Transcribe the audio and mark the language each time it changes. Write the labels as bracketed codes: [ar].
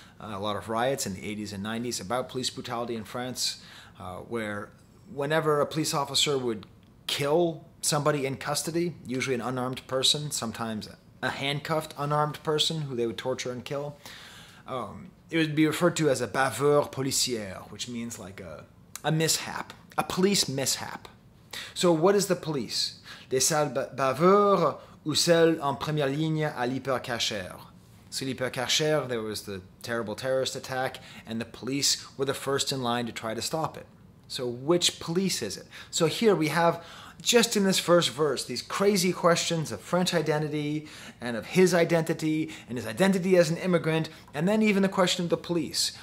[en] A lot of riots in the 80s and 90s about police brutality in France, where whenever a police officer would kill somebody in custody, usually an unarmed person, sometimes a handcuffed unarmed person who they would torture and kill, it would be referred to as a bavure policière, which means like a mishap, a police mishap. So what is the police? [fr] Des sales bavures ou celles en première ligne à l'hypercachère? [en] So l'hypercachère, there was the terrible terrorist attack, and the police were the first in line to try to stop it. So which police is it? So here we have, just in this first verse, these crazy questions of French identity and of his identity and his identity as an immigrant, and then even the question of the police.